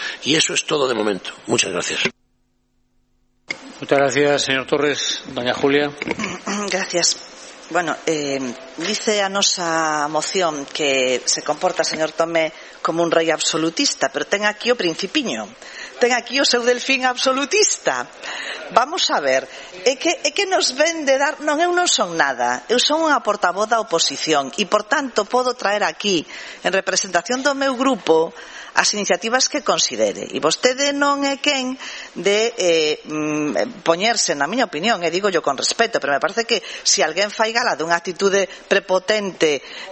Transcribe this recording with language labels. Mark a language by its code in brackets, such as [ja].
[es] Y eso es todo de momento. Muchas gracias. Muchas gracias, señor Torres. Doña Julia. Gracias. [gl] Bueno, dice a nosa moción que se comporta, señor Tomé, como un rey absolutista, pero ten aquí o principiño. Ten aquí o seu delfín absolutista. [es] Vamos a ver, [gl] é que nos ven de dar... Non, eu non son nada. Eu son unha portavoz da oposición e, por tanto, podo traer aquí, en representación do meu grupo, as iniciativas que considere. E vostede non é quen de poñerse, na miña opinión, e [es] digo yo con respeto, pero me parece que si [gl] alguén fai gala dunha actitude prepotente...